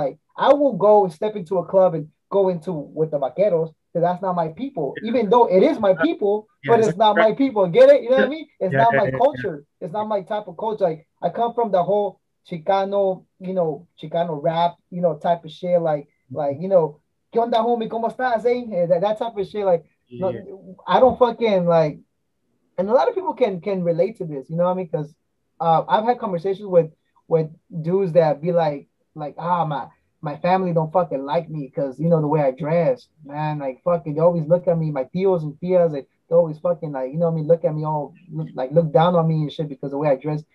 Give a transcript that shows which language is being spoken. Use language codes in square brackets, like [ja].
[en] Like, I will go step into a club and go into with the vaqueros, because that's not my people, even though it is my people, but it's not my people. Get it? You know what I mean? It's not my culture. Yeah. It's not my type of culture. Like, I come from the whole Chicano, you know, Chicano rap, you know, type of shit. Like, you know, [es] ¿qué onda, homie? ¿Cómo estás, eh? [en] That type of shit, like, yeah. No, I don't fucking like, and a lot of people can relate to this, you know what I mean? Because I've had conversations with dudes that be like, ah, my family don't fucking like me because, you know, the way I dress, man, like, fucking, they always look at me, my tios and tias, like, they always fucking, like, you know what I mean, look at me all, like, look down on me and shit because the way I dress.